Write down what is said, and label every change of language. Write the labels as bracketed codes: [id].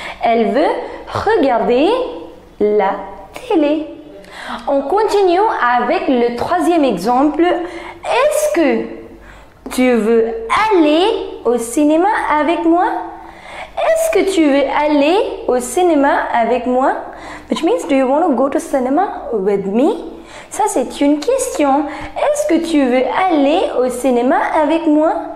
[fr] Elle veut regarder la télé. On continue avec le troisième exemple. Est-ce que tu veux aller au cinéma avec moi? Est-ce que tu veux aller au cinéma avec moi? [en] Which means, do you want to go to cinema with me? [fr] Ça, c'est une question. Est-ce que tu veux aller au cinéma avec moi?